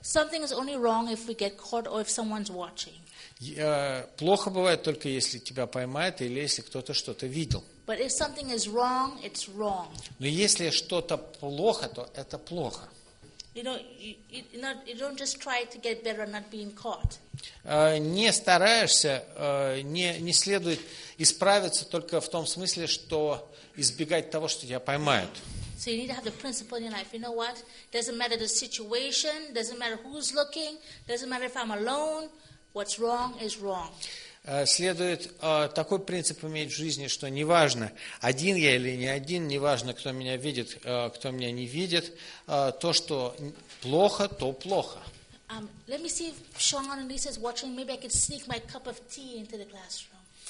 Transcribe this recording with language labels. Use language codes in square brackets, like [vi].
[en] Something is only wrong if we get caught or if someone's watching. [ru] Плохо бывает только если тебя поймают или если кто-то что-то видел. [en] But if something is wrong, it's wrong. [ru] Но если что-то плохо, то это плохо. [en] You know, you don't just try to get better at not being caught. [ru] Не стараешься, не следует исправиться только в том смысле, что избегать того, что тебя поймают. [en] So you need to have the principle in your life. You know what? Doesn't matter the situation, doesn't matter who's looking, doesn't matter if I'm alone, what's wrong is wrong. [ru] Следует такой принцип иметь в жизни, что неважно, один я или не один, неважно, кто меня видит, кто меня не видит, то, что плохо, то плохо. [en] Let me see if Sean and Lisa is watching. Maybe I could sneak my cup of tea into the classroom.